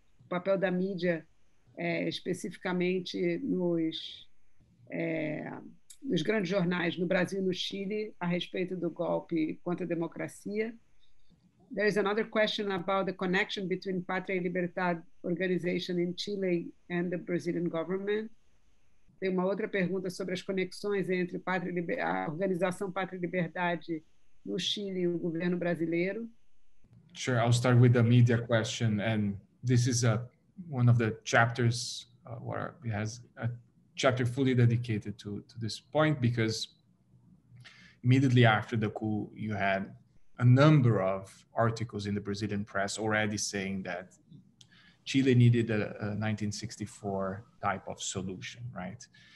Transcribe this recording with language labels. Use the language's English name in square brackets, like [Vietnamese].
[Portuguese] O papel da mídia especificamente nos grandes jornais no Brasil e no Chile a respeito do golpe contra a democracia. [English] There is another question about the connection between Pátria e Liberdade organization in Chile and the Brazilian government. [Portuguese] Tem uma outra pergunta sobre as conexões entre a organização Pátria e Liberdade no Chile e o governo brasileiro. [English] Sure, I'll start with the media question and this is one of the chapters where it has a chapter fully dedicated to this point, because immediately after the coup, you had a number of articles in the Brazilian press already saying that Chile needed a 1964 type of solution, right?